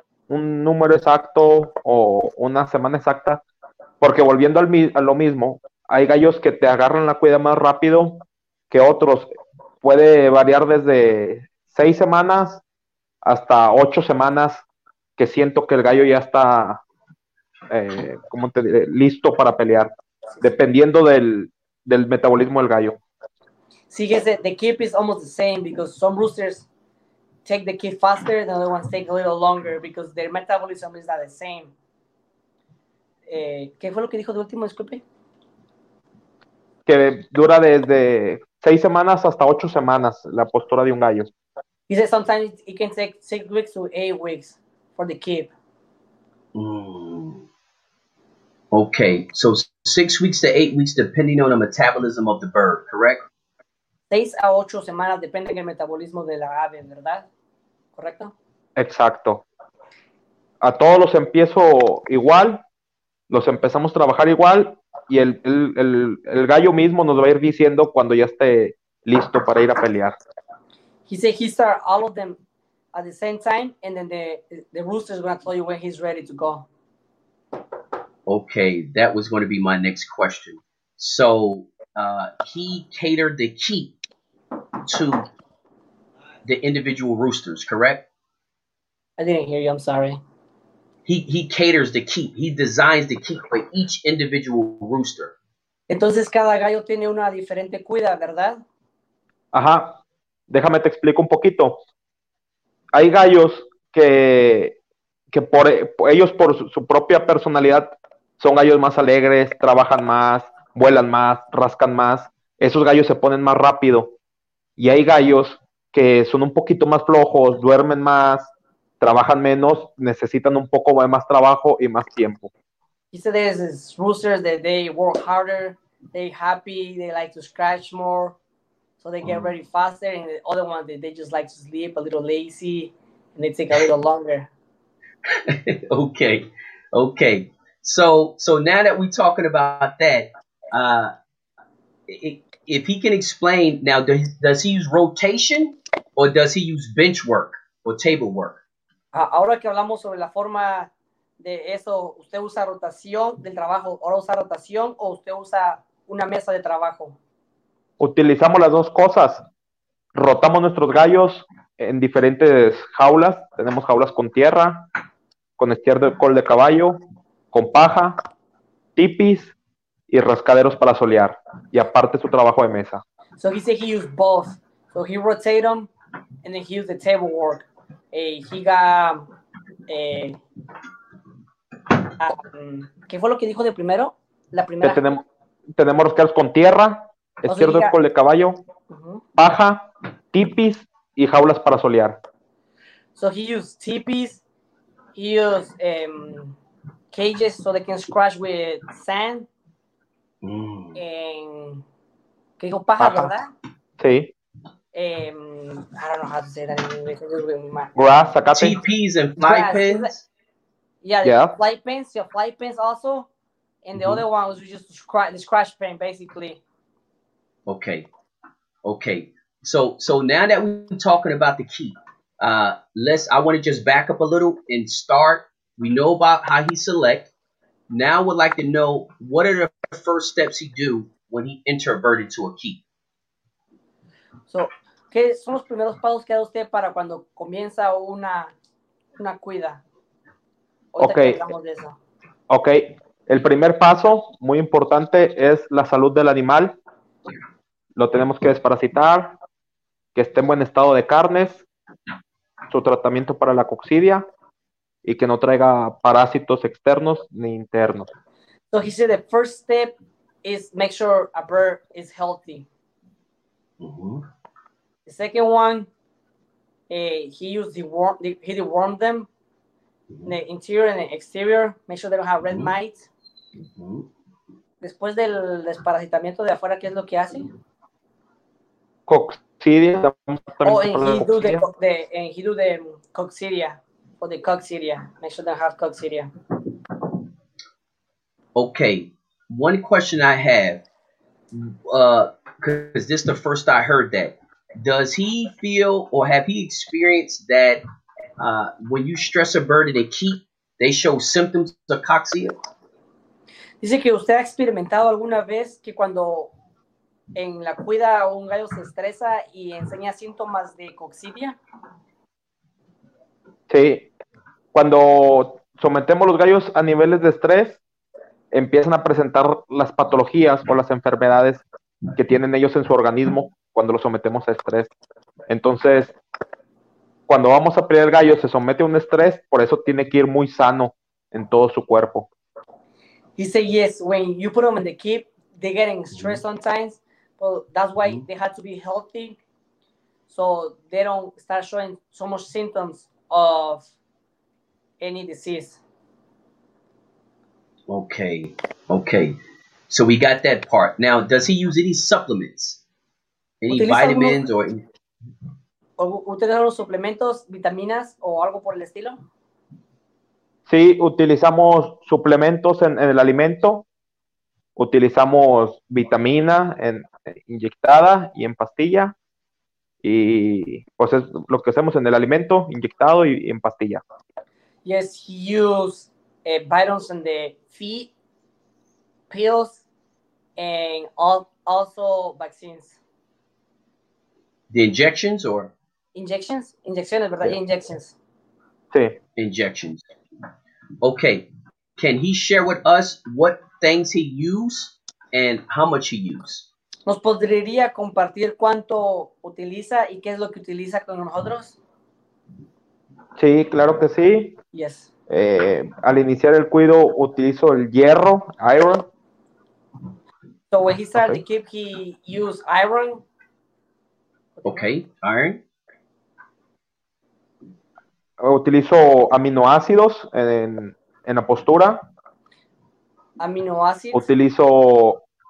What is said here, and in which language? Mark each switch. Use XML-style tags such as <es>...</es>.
<es>un número exacto o una semana exacta, porque volviendo a lo mismo, hay gallos que te agarran la cuida más rápido que otros. Puede variar desde 6 semanas hasta 8 semanas que siento que el gallo ya está, ¿cómo te diré?, listo para pelear, dependiendo del metabolismo del gallo.</es> <en>Sí, the keep is almost the same because some roosters take the keep faster, the other ones take a little longer because their metabolism is not the same.</en> <es>¿Qué fue lo que dijo de último, disculpe? Que dura desde 6 semanas hasta 8 semanas la postura de un gallo.</es> <en>He said sometimes it can take 6 weeks to 8 weeks for the keep. Okay, so 6 weeks to 8 weeks depending on the metabolism of the bird, correct?</en> <es>6 a 8 semanas depende del metabolismo de la ave, ¿verdad? ¿Correcto? Exacto. A todos los empiezo igual, los empezamos a trabajar igual, y el gallo mismo nos va a ir diciendo cuando ya esté listo para ir a pelear.</es> <en>He said he start all of them at the same time, and then the rooster is going to tell you when he's ready to go. Okay, that was going to be my next question. So, he catered the keep to the individual roosters, correct? I didn't hear you, I'm sorry. He caters the keep. He designs the keep for each individual rooster.</en> <es>Entonces cada gallo tiene una diferente cuida, ¿verdad? Ajá. Déjame te explico un poquito. Hay gallos que por ellos, por su propia personalidad, son gallos más alegres, trabajan más, vuelan más, rascan más. Esos gallos se ponen más rápido. Y hay gallos que son un poquito más flojos, duermen más, trabajan menos, necesitan un poco más trabajo y más tiempo.</es> <en>He said there's roosters that they work harder, they happy, they like to scratch more, so they get ready faster. And the other one, they just like to sleep a little lazy, and they take a little longer. Okay. So now that we're talking about that, if he can explain, now, does he use rotation or does he use bench work or table work?</en> <es>Ahora que hablamos sobre la forma de eso, ¿usted usa rotación del trabajo? ¿Ahora usa rotación o usted usa una mesa de trabajo? Utilizamos las dos cosas. Rotamos nuestros gallos en diferentes jaulas. Tenemos jaulas con tierra, con estiércol de caballo, con paja, tipis y rascaderos para solear. Y aparte su trabajo de mesa.</es> <en>So he said he used both. So he rotated them and then he used the table work.</en> <es>¿Qué fue lo que dijo de primero? La primera. Que tenemos rosqueros con tierra, estiércol de caballo, paja, tipis y jaulas para solear.</es> <en>So he used tipis, he used cages so they can scratch with sand.</en> <es>¿Qué dijo? Paja, ¿verdad? Sí.</es> <en>I don't know how to say that in English. Grass, acate. TPs and fly pins. Yeah. Fly pins, your fly pins also. And the other one was just the scratch pin, basically. Okay. So now that we're talking about the keep, I want to just back up a little and start. We know about how he select. Now we'd like to know what are the first steps he do when he enter a bird into a keep.</en> <es>So, ¿qué son los primeros pasos que da usted para cuando comienza una cuida? Ok, el primer paso, muy importante, es la salud del animal. Lo tenemos que desparasitar, que esté en buen estado de carnes, su tratamiento para la coccidia, y que no traiga parásitos externos ni internos.</es> <en>So he said the first step is make sure a bird is healthy. The second one, he dewormed them, the interior and the exterior, make sure they don't have red mites.</en> <es>Después del desparasitamiento de afuera, ¿qué es lo que hace? Coccidia.</es> <en>Coccidia, make sure they have coccidia. Okay, one question I have, because this is the first I heard that. Does he feel or have he experienced that When you stress a bird in a key, they show symptoms of coccyx.</en> <es>Dice que usted ha experimentado alguna vez que cuando en la cuida un gallo se estresa y enseña síntomas de coccidia. Sí, cuando sometemos los gallos a niveles de estrés, empiezan a presentar las patologías o las enfermedades que tienen ellos en su organismo cuando los sometemos a estrés. Entonces, cuando vamos a pelear el gallo, se somete a un estrés, por eso tiene que ir muy sano en todo su cuerpo.</es> <en>He said, yes, when you put them in the keep, they're getting stressed sometimes. Well, that's why they have to be healthy, so they don't start showing so much symptoms of any disease. Okay, okay. So we got that part. Now, does he use any supplements? Any vitamins or...</en> <es>¿Utilizan los suplementos, vitaminas o algo por el estilo? Sí, utilizamos suplementos en el alimento. Utilizamos vitamina inyectada y en pastilla. Y pues es lo que hacemos en el alimento, inyectado y en pastilla.</es> <en>Yes, he used vitamins in the feed, pills, and also vaccines. The injections or... Injections?</en> <es>Injecciones, ¿verdad?</es> <en>Yeah. Injections.</en> <es>Sí.</es> <en>Injections. Okay. Can he share with us what things he uses and how much he uses?</en> <es>¿Nos podría compartir cuánto utiliza y qué es lo que utiliza con nosotros? Sí, claro que sí.</es> <en>Yes.</en> <es>Al iniciar el cuido, utilizo el hierro, iron.</es> <en>So when he started to keep, he used iron. Okay, iron.</en> <es>Utilizo aminoácidos en la postura. Aminoácidos. Utilizo.</es>